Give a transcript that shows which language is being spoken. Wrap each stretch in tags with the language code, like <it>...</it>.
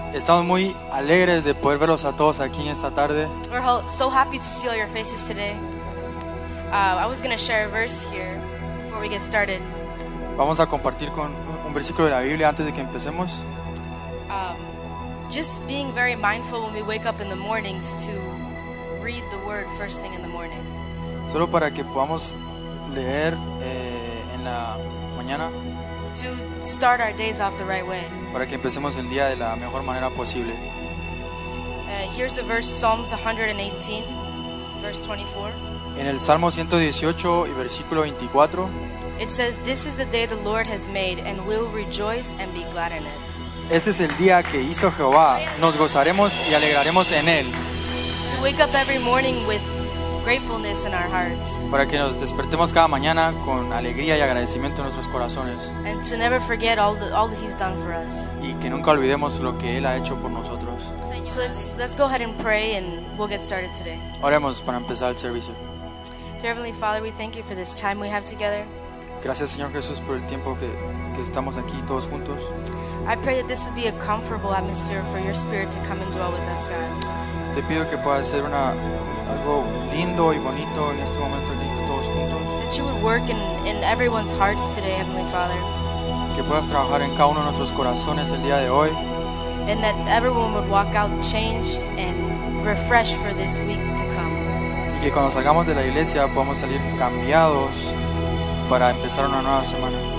<es>Estamos muy alegres de poder verlos a todos aquí en esta tarde.</es> <en>We're so happy to see all your faces today. I was going to share a verse here before we get started.</en> <es>Vamos a compartir con un versículo de la Biblia antes de que empecemos.</es> <en>Just being very mindful when we wake up in the mornings to read the word first thing in the morning.</en> <es>Solo para que podamos leer en la mañana.</es> <en>To start our days off the right way.</en> <es>Para que empecemos el día de la mejor manera posible.</es> <en>Here's the verse, Psalms 118, verse 24.</en> <es>En el Salmo 118 y versículo 24.</es> <en>It says, "This is the day the Lord has made, and we'll rejoice and be glad in it."</en> <es>Este es el día que hizo Jehová. Nos gozaremos y alegraremos en él.</es> <en>To wake up every morning with gratefulness in our hearts.</en> <es>Para que nos despertemos cada mañana con alegría y agradecimiento en nuestros corazones.</es> <en>And to never forget all that he's done for us.</en> <es>Y que nunca olvidemos lo que él ha hecho por nosotros.</es> <en>So let's go ahead and pray and we'll get started today.</en> <es>Oremos para empezar el servicio.</es> <en>Dear Heavenly Father, we thank you for this time we have together.</en> <es>Gracias, Señor Jesús, por el tiempo que estamos aquí todos juntos.</es> <en>I pray that this would be a comfortable atmosphere for your spirit to come and dwell with us, God.</en> <es>Te pido que pueda ser algo lindo y bonito en este momento aquí todos juntos.</es> <en>That you would work in everyone's hearts today, Heavenly Father.</en> <es>Que puedas trabajar en cada uno de nuestros corazones el día de hoy.</es> <en>And that everyone would walk out changed and refreshed for this week to come.</en> <es>Y que cuando salgamos de la iglesia podamos salir cambiados para empezar una nueva semana.</es>